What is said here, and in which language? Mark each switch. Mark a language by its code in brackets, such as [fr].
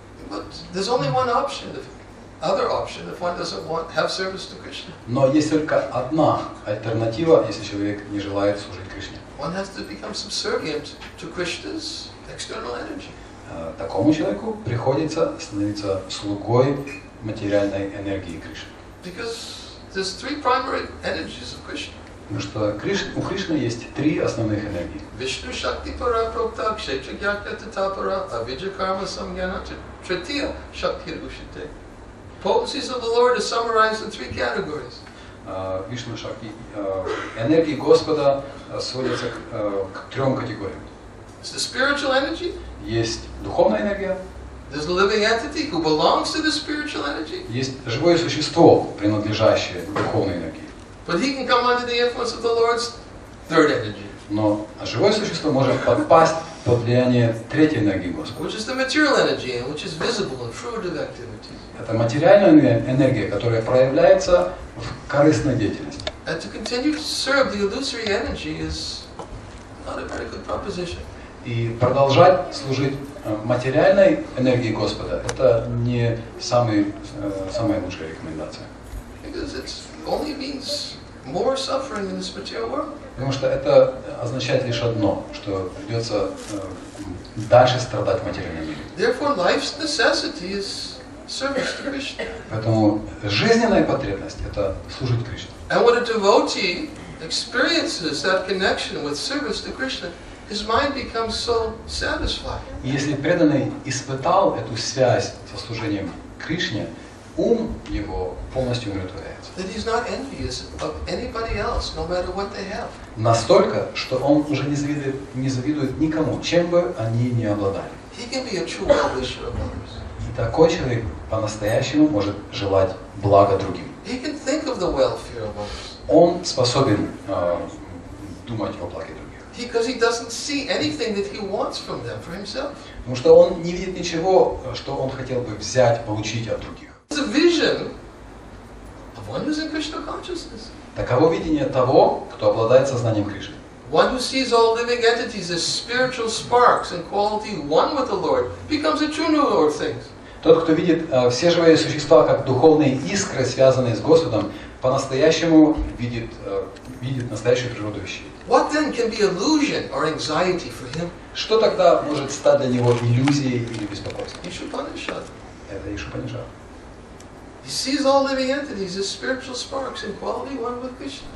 [en] But there's only one option. other option if one doesn't want have service to Krishna. [ru] Но есть только одна альтернатива, если человек не желает служить Кришне. [en] One has to become subservient to Krishna's external energy. [ru] Такому человеку приходится становиться слугой материальной энергии Кришны. [en] Because there's three primary energies of Krishna. [ru] Потому что у Кришны есть три основных энергии. [sa] Вишну шакти пара пропта кшетра гьякья тата пара авиджа карма самгьяна тритья шакти рушите. [en] Potencies of the Lord are summarized in three categories. [ru] Вишну шакти, энергии Господа сводятся к трем категориям. [en] It's the spiritual energy. [ru] Есть духовная энергия. [en] There's a living entity who belongs to the spiritual energy. [ru] Есть живое существо, принадлежащее духовной энергии. [en] But he can come under the influence of the Lord's third energy. [ru] Но живое существо может попасть под влияние третьей энергии Господа. [en] Which is the material energy, which is visible in fruitive activities. [ru] Это материальная энергия, которая проявляется в корыстной деятельности. [en] And to continue to serve the illusory energy is not a very good proposition. [ru] И продолжать служить материальной энергии Господа – это не самая лучшая рекомендация. [en] Because it's only means more suffering in this material world. [ru] Потому что это означает лишь одно, что придется дальше страдать в материальном мире. [en] Therefore, life's necessity is service to Krishna. [ru] Поэтому жизненная потребность – это служить Кришне. [en] And when a devotee experiences that connection with service to Krishna, his mind becomes so satisfied. [ru] И если преданный испытал эту связь со служением Кришне, ум его полностью умиротворяется. [en] That he's not envious of anybody else, no matter what they have. [ru] Настолько, что он уже не завидует никому, чем бы они ни обладали. [en] He can be a true well-wisher of others. [ru] И такой человек по-настоящему может желать блага другим. [en] He can think of the welfare of others. [ru] Он способен думать о благе других. [en] Because he doesn't see anything that he wants from them for himself. [ru] Потому что он не видит ничего, что он хотел бы взять, получить от других. [en] It's a vision of one who's in Krishna consciousness. [ru] Таково видение того, кто обладает сознанием Кришны. [en] One who sees all living entities as spiritual sparks and quality one with the Lord becomes a true knower of things. [ru] Тот, кто видит все живые существа как духовные искры, связанные с Господом, по-настоящему видит настоящую природу вещей. [en] What then can be illusion or anxiety for him? [ru] Что тогда может стать для него иллюзией или беспокойством? Ишупанишад. Это Ишупанишад. [en] He sees all living entities as spiritual sparks in quality one with Krishna.